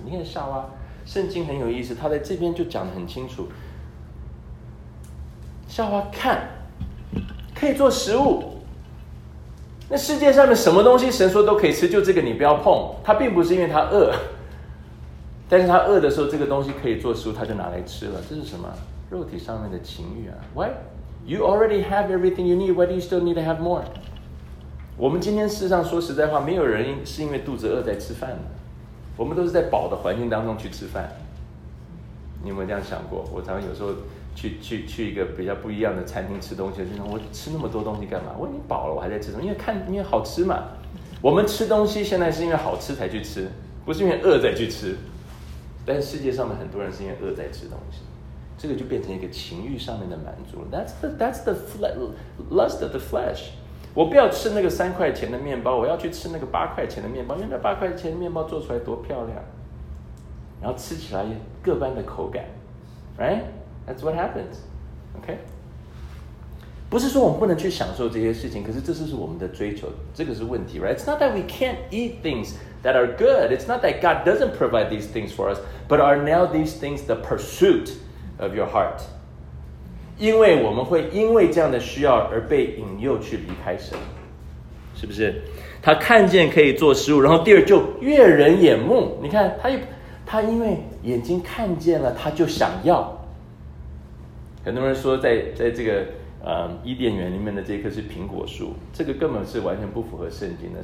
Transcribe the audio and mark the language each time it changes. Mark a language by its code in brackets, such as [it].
[zh] 你看夏娃，圣经很有意思，他在这边就讲得很清楚，夏娃看可以做食物，那世界上面什么东西神说都可以吃，就这个你不要碰。他并不是因为他饿，但是他饿的时候这个东西可以做食物，他就拿来吃了。这是什么？肉体上面的情欲啊。What? [en] You already have everything you need, why do you still need to have more? [zh] 我们今天事实上说实在话，没有人是因为肚子饿在吃饭的，我们都是在饱的环境当中去吃饭。你有没有这样想过？我常常有时候去一个比较不一样的餐厅吃东西，就说我吃那么多东西干嘛？我已经饱了，我还在吃东西，因为好吃嘛。我们吃东西现在是因为好吃才去吃，不是因为饿再去吃。但是世界上的很多人是因为饿在吃东西，这个就变成一个情欲上面的满足。 [en] That's the lust of the flesh。 [zh] 我不要吃那个三块钱的面包，我要去吃那个八块钱的面包，因为那八块钱的面包做出来多漂亮，然后吃起来也各般的口感 ，right？ [en] That's what happens, OK? [zh] 不是说我们不能去享受这些事情，可是这是我们的追求，这个是问题 ，right? [en] It's not that we can't eat things that are good. It's not that God doesn't provide these things for us, but are now these things the pursuit of your heart? [zh] 因为我们会因为这样的需要而被引诱去离开神，是不是？他看见可以做食物，然后第二就悦人眼目。你看他因为眼睛看见了，他就想要。很多人说在这个伊甸园里面的这棵是苹果树，这个根本是完全不符合圣经的。